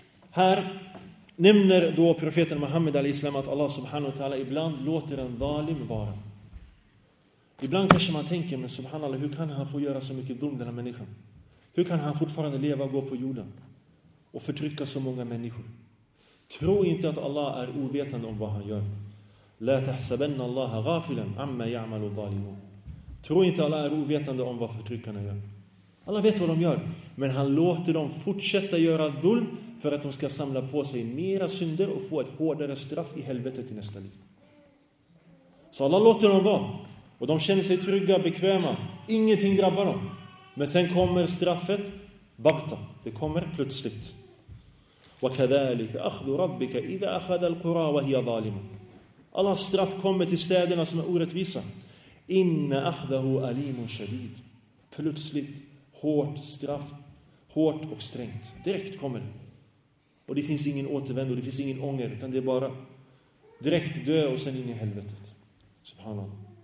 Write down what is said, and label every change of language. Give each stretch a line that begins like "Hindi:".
Swedish: Här nämner då profeten Muhammad al-Islam att Allah subhanahu wa ta'ala ibland låter en zalim vara. Ibland kanske man tänker, men subhanallah, hur kan han få göra så mycket dum, den här människan? Hur kan han fortfarande leva och gå på jorden? Och förtrycka så många människor? Tro inte att Allah är ovetande om vad han gör.
Arabic: لا تحسبن الله غافلا عما يعمل الظالمون.
Swedish: Tro inte alla är ovetande om vad förtryckarna gör. Alla vet vad de gör, men han låter dem fortsätta göra dhulm för att de ska samla på sig mera synder och få ett hårdare straff i helvetet i nästa liv. Så Allah låter dem vara, och de känner sig trygga, bekväma, ingenting drabbar dem. Men sen kommer straffet bagta, det kommer plötsligt.
Arabic: وكذلك اخذ ربك اذا اخذ القرى وهي ظالمه.
Swedish: Allahs straff kommer till städerna som är orättvisa.
Arabic: Inna akhdahu alimun shadid.
Swedish: Plötsligt, hårt straff. Hårt och strängt. Direkt kommer det. Och det finns ingen återvändo, det finns ingen ånger. Utan det är bara direkt dö och sen in i helvetet. Subhanallah.